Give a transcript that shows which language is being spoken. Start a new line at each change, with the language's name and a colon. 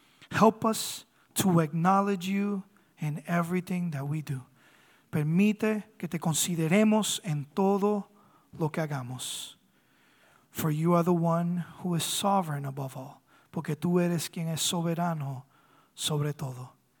English: Help us to acknowledge you in everything that we do.
Spanish: Permite que te consideremos en todo lo que hagamos.
English: For you are the one who is sovereign above all.
Spanish: Porque tú eres quien es soberano sobre todo.